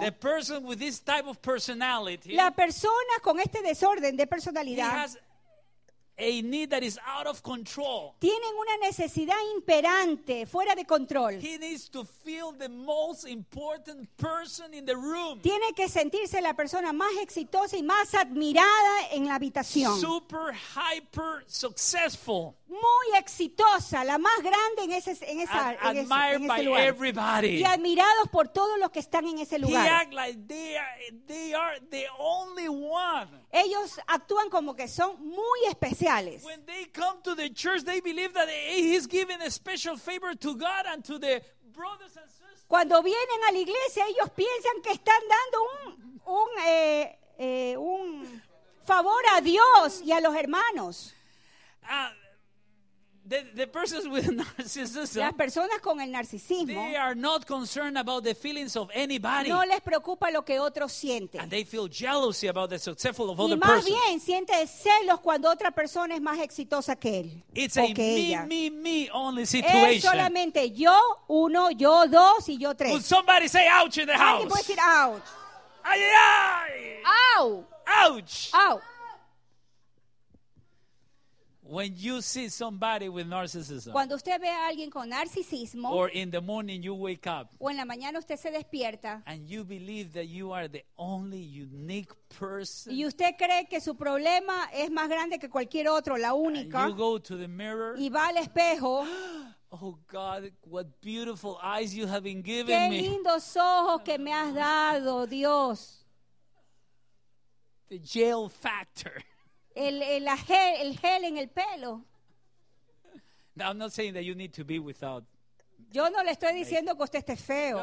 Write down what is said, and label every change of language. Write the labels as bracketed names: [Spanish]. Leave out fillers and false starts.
[English] The person with this type of personality, [Spanish] la persona con este desorden de personalidad, [English] he has a need that is out of control. [Spanish] Tienen una necesidad imperante, fuera de control. [English] He needs to feel the most important person in the room. [Spanish] Tiene que sentirse la persona más exitosa y más admirada en la habitación. [English] Super hyper successful. [Spanish] Muy exitosa, la más grande en ese lugar. [English] Everybody. [Spanish] Y admirados por todos los que están en ese lugar. [English] He act like they are the only one. [Spanish] Ellos actúan como que son muy especiales. [English] When they come to the church, they believe that he's giving a special favor to God and to the brothers and sisters. [Spanish] Cuando vienen a la iglesia, ellos piensan que están dando un favor a Dios y a los hermanos. [English] The persons with narcissism, [Spanish] las personas con el narcisismo, [English] they are not concerned about the feelings of anybody. [Spanish] No les preocupa lo que otros sienten. [English] And they feel jealousy about the successful of other persons. [Spanish] Y más bien siente celos cuando otra persona es más exitosa que él. [English] It's [Spanish] o que [English] a [Spanish] ella. [English] me only situation. [Spanish] Es solamente yo uno, yo dos y yo tres. [English] Would somebody say ouch in the house? [Spanish] ¿Alguien puede decir ouch? Ay, ay. Au. Ouch. Ouch. [English] When you see somebody with narcissism, [Spanish] cuando usted ve a alguien con narcisismo, [English] or in the morning you wake up, [Spanish] o en la mañana usted se despierta, [English] and you believe that you are the only unique person, [Spanish] y usted cree que su problema es más grande que cualquier otro, la única, [English] and you go to the mirror, [Spanish] y va al espejo, [English] oh God, what beautiful eyes you have been giving me. [Spanish] Qué lindos ojos que me has dado, Dios. [English] The jail factor. [Spanish] El gel en el pelo. [English] Now, I'm not saying that you need to be without. [Spanish] Yo no le estoy diciendo que usted esté feo,